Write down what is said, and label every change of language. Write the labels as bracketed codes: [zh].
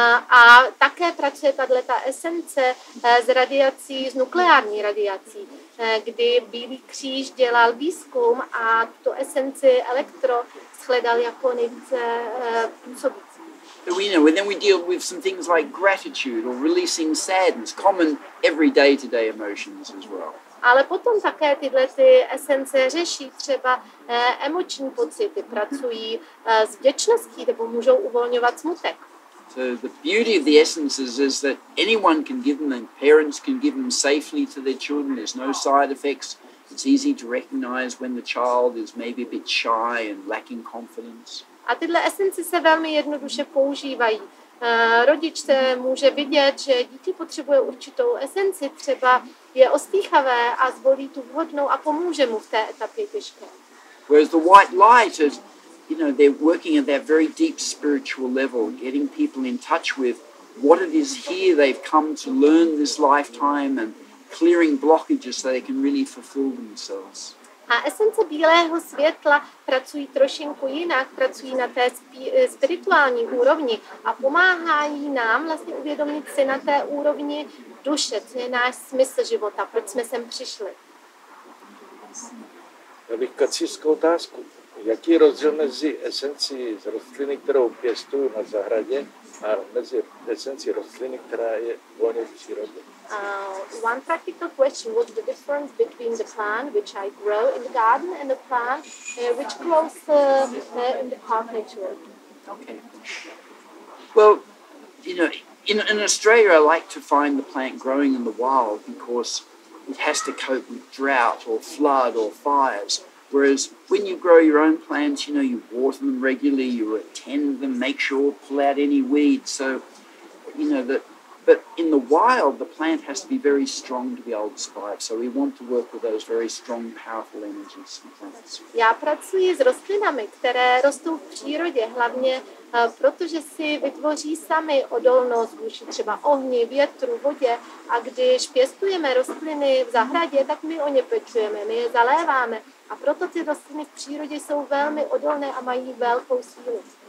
[cs] A také pracuje tahle ta esence z radiací, z nukleární radiací, kdy Bílý kříž dělal výzkum a tu esenci elektro shledal jako nejvíce působící. [en] So we know, and then we deal with some things like gratitude or releasing sadness, common everyday to day emotions as well. [cs] Ale potom také tyhle ty esence řeší třeba emoční pocity, pracují s vděčností nebo můžou uvolňovat smutek. [en] So the beauty of the essences is that anyone can give them, and parents can give them safely to their children. There's no side effects. It's easy to recognize when the child is maybe a bit shy and lacking confidence. [cs] A tyhle esence se velmi jednoduše používají. Rodič se může vidět, že dítě potřebuje určitou esenci, třeba je ostýchavé a zvolí tu vhodnou a pomůže mu v té etapě těžké. [en] Whereas the white light is, you know, they're working at that very deep spiritual level, getting people in touch with what it is here they've come to learn this lifetime and clearing blockages so they can really fulfill themselves. [cs] A esence bílého světla pracují trošinku jinak, pracují na té spirituální úrovni a pomáhají nám vlastně uvědomit si na té úrovni duše, co je náš smysl života, proč jsme sem přišli. Já bych kacířskou otázku. Jaký rozdíl mezi esencí z rostliny, kterou pěstuju na zahradě, a mezi esencí rostliny, která je volně v přírodě? [en] One practical question: what's the difference between the plant which I grow in the garden and the plant which grows in the park nature? Okay. Well, you know, in Australia, I like to find the plant growing in the wild because it has to cope with drought or flood or fires. Whereas when you grow your own plants, you know, you water them regularly, you attend them, make sure you pull out any weeds. So, you know, that. But in the wild, the plant has to be very strong to be able to survive. So we want to work with those very strong, powerful energies and plants. [cs] Já pracuji s rostlinami, které rostou v přírodě, hlavně protože si vytvoří sami odolnost vůči třeba ohni, větru, vodě. A když pěstujeme rostliny v zahradě, tak my o ně pečujeme, my je zaléváme. A proto ty rostliny v přírodě jsou velmi odolné a mají velkou sílu.